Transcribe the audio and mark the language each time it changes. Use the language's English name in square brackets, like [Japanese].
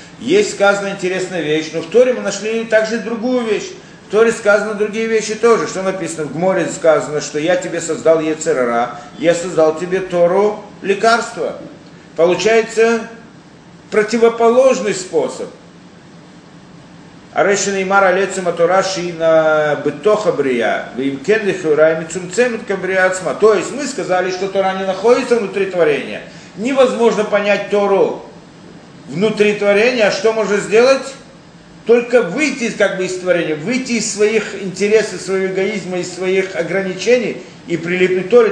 [Russian] Есть сказана интересная вещь, но в Торе мы нашли также другую вещь. В Торе сказано другие вещи тоже. Что написано? В Гморе сказано, что я тебе создал Ецер Ара, я создал тебе Тору лекарство. Получается противоположный способ. [Hebrew] הרי שנאמר על עצם התורה שהיא בתוך הבריאה, ואם כן לכאורה היא מצומצמת כבריאה עצמה. [Russian] То есть мы сказали, что Тора не находится внутри творения. Невозможно понять Тору внутри творения. А что можно сделать? Только выйти как бы из творения, выйти из своих интересов, своего эгоизма, из своих ограничений и прилипнуть к Торе.